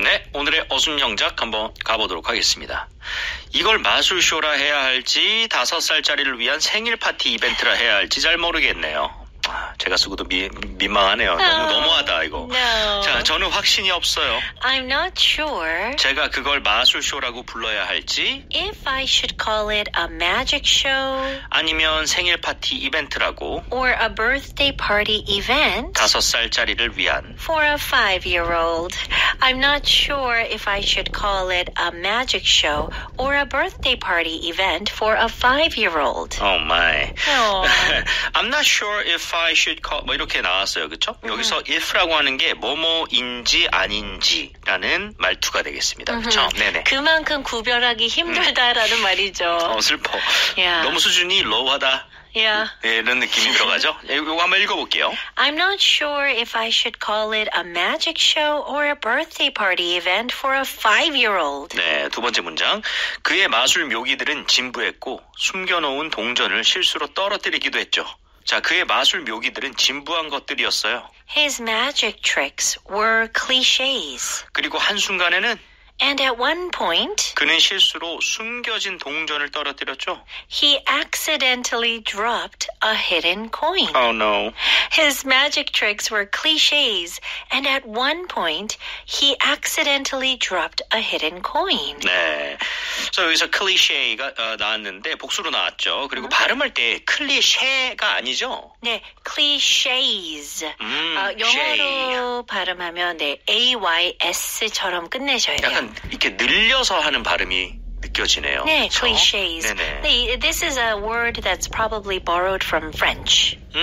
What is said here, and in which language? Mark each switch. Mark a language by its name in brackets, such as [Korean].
[Korean] 네, 오늘의 어순영작 한번 가보도록 하겠습니다. 이걸 마술쇼라 해야 할지 다섯 살짜리를 위한 생일 파티 이벤트라 해야 할지 잘 모르겠네요. 제가 쓰고도 민망하네요. 너무하다 이거. [English] No. [Korean] 자, 저는 확신이 없어요. [English] I'm not sure. [Korean] 제가 그걸 마술쇼라고 불러야 할지. [English] If I should call it a magic show. [Korean] 아니면 생일 파티 이벤트라고. [English] Or a birthday party event. [Korean] 다섯 살짜리를 위한. [English] For a five-year-old. I'm not sure if I should call it a magic show or a birthday party event for a five-year-old. Oh my. Oh. I'm not sure if I should call [Korean] 뭐 이렇게 나왔어요. 그렇죠? 여기서 if라고 하는 게 뭐뭐인지 아닌지라는 말투가 되겠습니다. 그렇죠? 네네. 그만큼 구별하기 힘들다라는 말이죠. 슬퍼. [English] Yeah. [Korean] 너무 수준이 low하다. [English] Yeah. [Korean] 네, 이런 느낌이 들어가죠? 이거 한번 읽어볼게요. [English] I'm not sure if I should call it a magic show or a birthday party event for a five-year-old. [Korean] 네, 두 번째 문장. 그의 마술 묘기들은 진부했고 숨겨놓은 동전을 실수로 떨어뜨리기도 했죠. 자, 그의 마술 묘기들은 진부한 것들이었어요. [English] His magic tricks were clichés. [Korean] 그리고 한순간에는 [English] And at one point, [Korean] 그는 실수로 숨겨진 동전을 떨어뜨렸죠. [English] He accidentally dropped a hidden coin. Oh no. His magic tricks were clichés, and at one point, he accidentally dropped a hidden coin. [Korean] 네. 그래서 여기서 cliché가 나왔는데 복수로 나왔죠. 그리고 발음할 때 클리셰가 아니죠? 네, clichés. 영어로 발음하면 네, AYS처럼 끝내셔야 돼요. 이렇게 늘려서 하는 발음이 느껴지네요. 네, 그렇죠? clichés. 네네. [English] This is a word that's probably borrowed from French.